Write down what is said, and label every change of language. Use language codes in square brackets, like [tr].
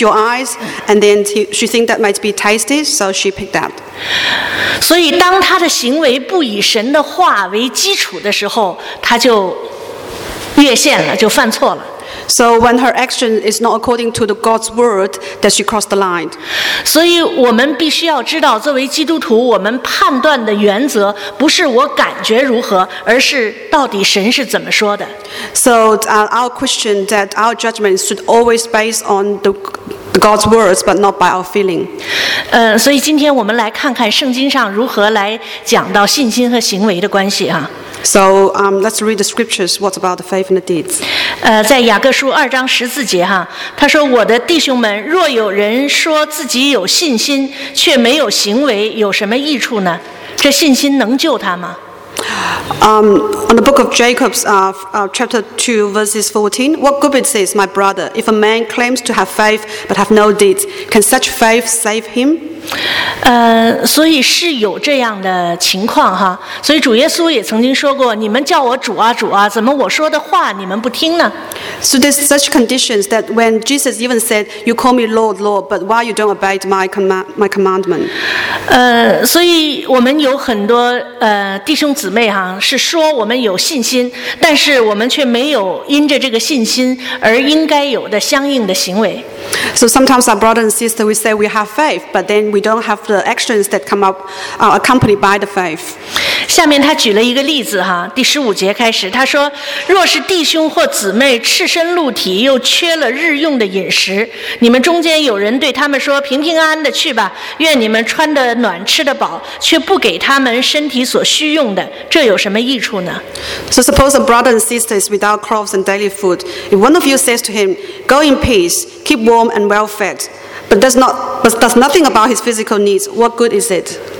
[en] your eyes, and then she thinks that might be tasty, so she picked that. [zh] 所以当她的行为不以神的话为基础的时候，她就越线了，就犯错了。 [en] So when her action is not according to the God's word, that she crossed the line. [zh] 所以我们必须要知道，作为基督徒，我们判断的原则不是我感觉如何，而是到底神是怎么说的。 [en] So our question that our judgment should always based on the God's words, but not by our feeling. [zh] 所以今天我们来看看圣经上如何来讲到信心和行为的关系啊。 [en] So let's read the scriptures. What about the faith and the deeds? [zh] 在雅各书二章十四节哈，他说：“我的弟兄们，若有人说自己有信心，却没有行为，有什么益处呢？这信心能救他吗？” [en] On the book of Jacob's chapter 2 verses 14, what good it is, my brother, if a man claims to have faith but have no deeds, can such faith save him? [zh] 所以是有这样的情况哈。所以主耶稣也曾经说过，你们叫我主啊主啊，怎么我说的话你们不听呢？ [en] So there's such conditions that when Jesus even said, you call me Lord, Lord, but why you don't obey my commandment? [zh] 所以我们有很多弟兄姊妹哈，是说我们有信心，但是我们却没有因着这个信心而应该有的相应的行为。 [en] So sometimes our brother and sister, we say we have faith, but then we don't have the actions that come up accompanied by the faith. [zh] 下面他举了一个例子哈，第十五节开始，他说：“若是弟兄或姊妹赤身露体，又缺了日用的饮食，你们中间有人对他们说：‘平平安安的去吧，愿你们穿得暖，吃得饱，却不给他们身体所需用的，这有什么益处呢？’” [en] So suppose a brother and sister is without clothes and daily food. If one of you says to him, "Go in peace, keep warm and well fed," but does nothing about his physical needs, what good is it?